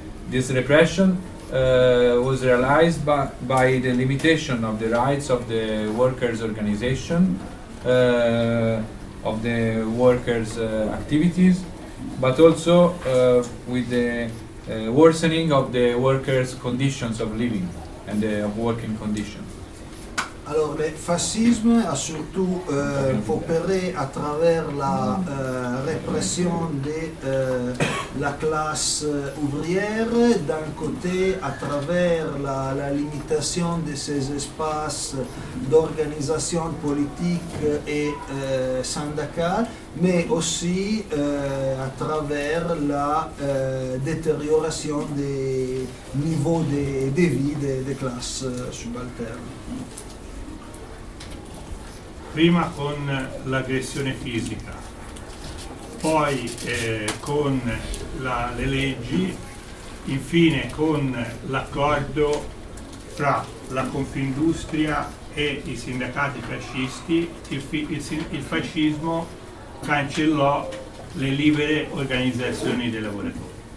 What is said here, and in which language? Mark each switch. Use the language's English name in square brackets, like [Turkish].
[English] This repression was realized by the limitation of the rights of the workers' organization, of the workers' activities, but also with the worsening of the workers' conditions of living and of working conditions. [French] Alors, le fascisme a surtout opéré à travers la répression de la classe ouvrière, d'un côté à travers la limitation de ses espaces d'organisation politique et syndicale, mais aussi à travers la détérioration des niveaux de vie des classes subalternes. [Italian] Prima con l'aggressione fisica, poi con le leggi, infine con l'accordo tra la Confindustria e i sindacati fascisti, il fascismo cancellò le libere organizzazioni dei lavoratori.